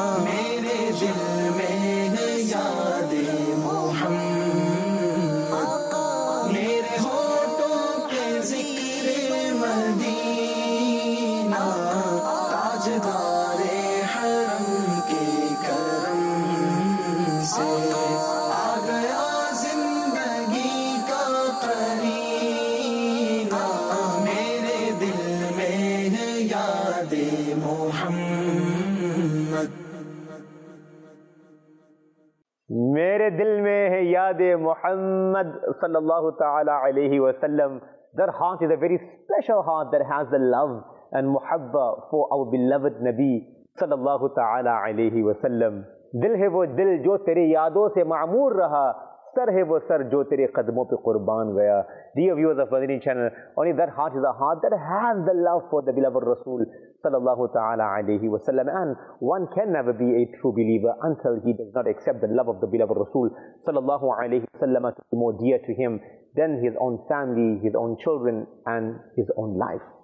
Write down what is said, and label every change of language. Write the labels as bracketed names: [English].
[Urdu] میرے دل میں ہے یاد محمد، میرے ہونٹوں کے ذکر مدینہ، تاجدار حرم کے کرم سے آ گیا زندگی کا قرینہ، میرے دل میرے دل میں ہے یاد محمد صلی اللہ تعالی علیہ وسلم. [English] Their heart is a very special heart that has the love and muhabba for our beloved Nabi صلی اللہ تعالی علیہ وسلم. [Urdu] دل ہے وہ دل جو تیرے یادوں سے معمور رہا, سر ہے وہ سر جو تیرے قدموں پہ قربان گیا. [English] Dear viewers of Madini channel, only that heart is a heart that has the love for the beloved Rasul صلی اللہ تعالی علیہ وسلم. And one can never be a true believer until he does not accept the love of the beloved Rasul صلی اللہ علیہ وسلم to be more dear to him than his own family, his own children and his own life.